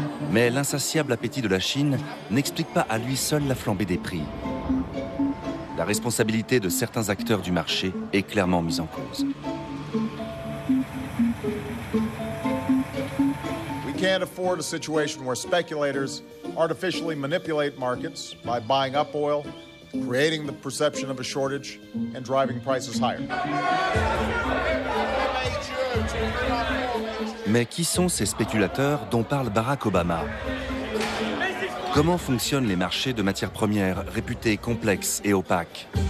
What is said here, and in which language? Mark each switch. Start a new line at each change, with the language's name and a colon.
French: Mais l'insatiable appétit de la Chine n'explique pas à lui seul la flambée des prix. La responsabilité de certains acteurs du marché est clairement mise en cause.
English: We can't afford a situation where speculators artificially manipulate markets by buying up oil, creating the perception of a shortage and driving prices higher.
French: Mais qui sont ces spéculateurs dont parle Barack Obama? Comment fonctionnent les marchés de matières premières réputés complexes et opaques?